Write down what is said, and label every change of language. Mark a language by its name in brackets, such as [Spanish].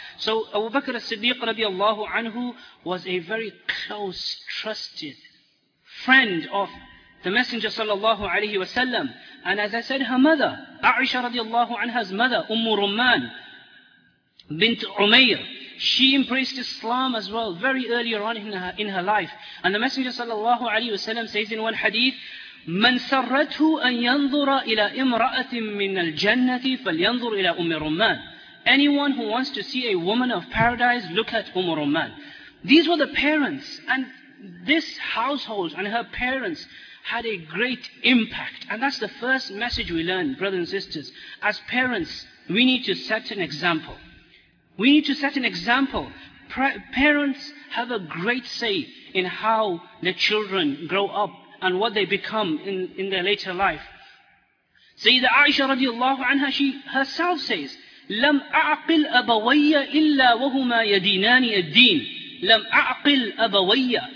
[English] So Abu Bakr as-Siddiq radiallahu anhu was a very close, trusted friend of the Messenger sallallahu alayhi wa sallam. And as I said, her mother, Aisha radiallahu anha's mother, Ummu Rumman bint Umayr, She embraced Islam as well very early on in her life. And the Messenger sallallahu alayhi wasallam says in one hadith, [Arabic] مَنْ سَرَّتْهُ أَنْ يَنْظُرَ إِلَىٰ إِمْرَأَةٍ مِّنَ الْجَنَّةِ فَلْيَنْظُرْ إِلَىٰ أُمِّ رُمَّانِ. [English] Anyone who wants to see a woman of paradise, look at Umm Rumman. These were the parents, and this household and her parents had a great impact. And that's the first message we learn, brothers and sisters. As parents, we need to set an example. We need to set an example. Parents have a great say in how the children grow up and what they become in their later life. Sayyidah Aisha radiallahu anha, she herself says, [Arabic] لَمْ أَعْقِلْ أَبَوَيَّ إِلَّا وَهُمَا يَدِينَانِ الدِّينِ لَمْ أَعْقِلْ أَبَوَيَّ.